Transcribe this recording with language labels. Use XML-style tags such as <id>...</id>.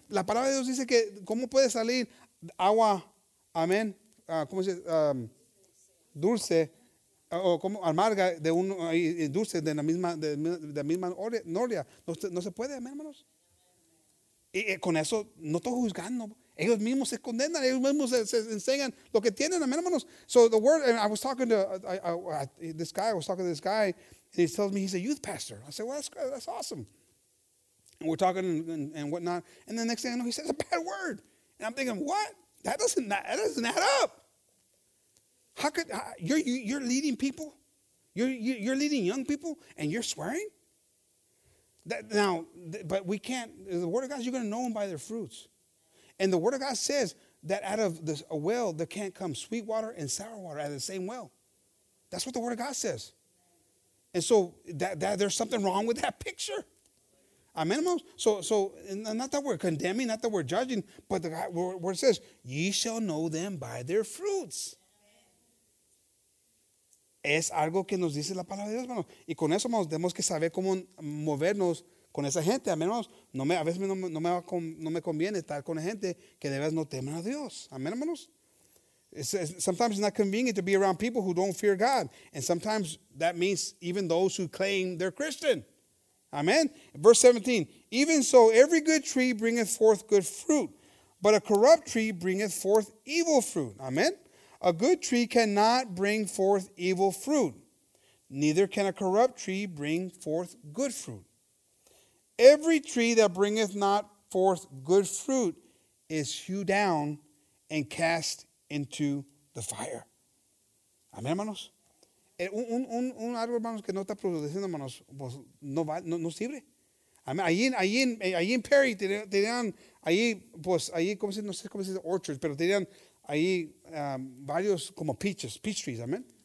<es>La palabra de Dios dice que cómo puede salir agua, amén, ¿cómo se dice? Dulce o como amarga de un dulce de la misma noria. No se puede, amén, hermanos. Y con eso no estoy juzgando. Ellos mismos se condenan, ellos mismos se enseñan lo que tienen, amén, hermanos.</es> <en>So the word, and I was talking to this guy, and he tells me, he's a youth pastor. I said, well, that's awesome. And we're talking and whatnot. And the next thing I know, he says a bad word. And I'm thinking, what? That doesn't add up. How could, you're leading people. You're leading young people and you're swearing? But we can't, the word of God, you're going to know them by their fruits. And the word of God says that out of this, a well, there can't come sweet water and sour water out of the same well. That's what the word of God says. And so that there's something wrong with that picture. Amen, hermanos. So not that we're condemning, not that we're judging, but the word says, ye shall know them by their fruits.</en> <es>Es algo que nos dice la palabra de Dios, hermanos. Y con eso, hermanos, tenemos que saber cómo movernos con esa gente. Amén, hermanos. A veces no me conviene estar con gente que de verdad no temen a Dios. Amén, hermanos.</es> <en>Sometimes it's not convenient to be around people who don't fear God. And sometimes that means even those who claim they're Christian. Amen. Verse 17, even so, every good tree bringeth forth good fruit, but a corrupt tree bringeth forth evil fruit. Amen. A good tree cannot bring forth evil fruit, neither can a corrupt tree bring forth good fruit. Every tree that bringeth not forth good fruit is hewed down and cast into the fire.</en> <es>Amen, hermanos. Un árbol, hermanos, que no está produciendo, hermanos, pues no va, no sirve. Amén. Allí en Perry tenían allí, pues allí, como si, no sé cómo se dice, orchards, pero tenían allí varios como</es> <en>peach trees.</en> <es>Amén.</es>